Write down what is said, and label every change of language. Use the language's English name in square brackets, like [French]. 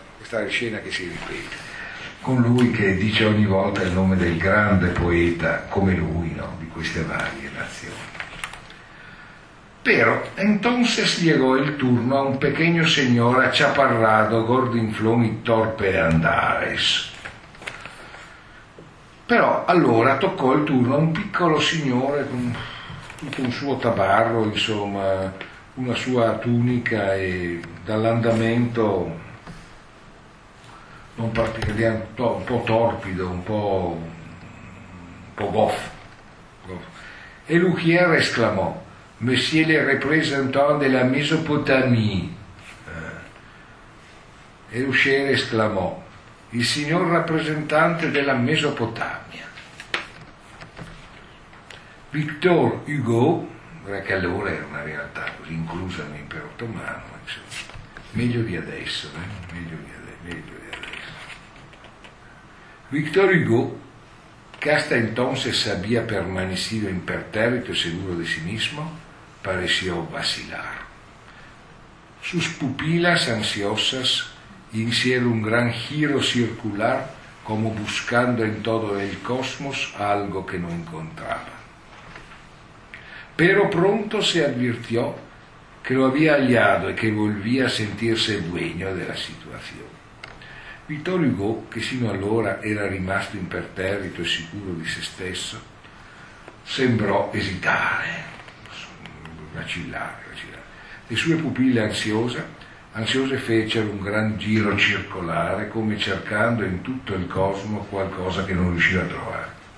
[Italian] La scena che si ripete con lui che dice ogni volta il nome del grande poeta come lui, no, di queste varie nazioni. [Spanish] Però entonces llegó il turno a un pequeño señor achaparrado, gordinflón y torpe de andares. [Italian] Però allora toccò il turno a un piccolo signore con tutto un suo tabarro, insomma, una sua tunica e dall'andamento un po' torpido, un po' goffo. [French] E Luchier esclamò: Messie le représentant de la Mésopotamie. [Italian] E Luchier esclamò: il signor rappresentante della Mesopotamia. Victor Hugo, che allora era una realtà così inclusa nell'impero ottomano, meglio di adesso, meglio di adesso. [Spanish] Victor Hugo, che hasta entonces había permanecido impertérrito e seguro de sí mismo, pareció vacilar. Sus pupilas ansiosas hicieron un gran giro circular, como buscando en todo el cosmos algo que no encontraba. Pero pronto se advirtió que lo había hallado y que volvía a sentirse dueño de la situación. [Italian] Victor Hugo, che sino allora era rimasto imperterrito e sicuro di se stesso, sembrò esitare, vacillare. Le sue pupille ansiose fecero un gran giro circolare, come cercando in tutto il cosmo qualcosa che non riusciva a trovare.